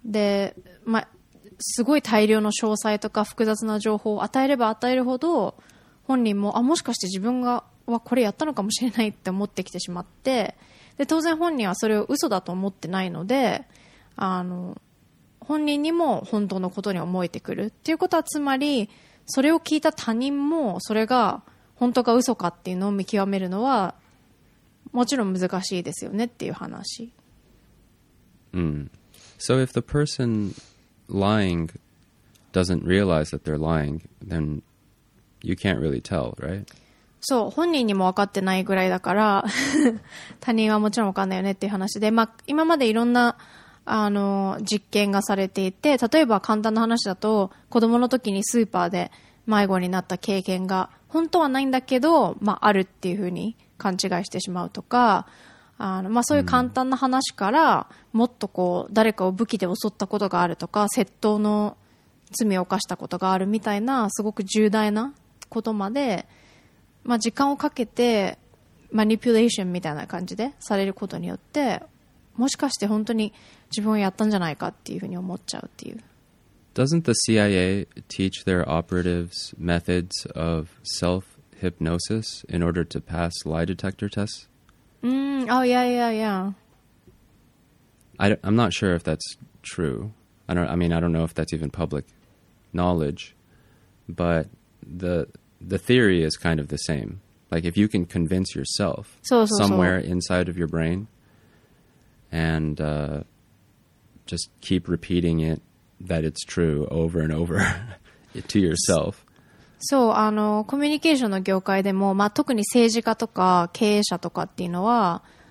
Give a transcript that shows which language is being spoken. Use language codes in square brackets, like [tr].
[ja] で、まあ、すごい大量の詳細とか複雑な情報を与えれば与えるほど、本人も、あ、もしかして自分がはこれやったのかもしれないって思ってきてしまって、で当然本人はそれを嘘だと思ってないので、本人にも本当のことに思えてくるっていうことは、つまりそれを聞いた他人もそれが本当か嘘かっていうのを見極めるのはもちろん難しいですよねっていう話。 [en] So if the person lying doesn't realize that they're lying, then you can't really tell, right? [ja] そう、本人にも分かってないぐらいだから他人はもちろん分かんないよねっていう話で、まあ、今までいろんな実験がされていて、例えば簡単な話だと、子供の時にスーパーで迷子になった経験が本当はないんだけど、まあ、あるっていうふうに勘違いしてしまうとか、まあ、そういう簡単な話からもっとこう誰かを武器で襲ったことがあるとか、窃盗の罪を犯したことがあるみたいなすごく重大なことまで、まあ、時間をかけてマニピュレーションみたいな感じでされることによって、もしかして本当に自分はやったんじゃないかっていうふうに思っちゃうっていう。 [en] Doesn't the CIA teach their operatives methods of self-hypnosis in order to pass lie detector tests? I'm not sure if that's true. I don't know if that's even public knowledge, but the theory is kind of the same. Like, if you can convince yourself somewhere inside of your brain and just keep repeating it that it's true over and over to yourself. [ja] そう、コミュニケーションの業界でも、まあ、特に政治家とか経営者とかっていうのは、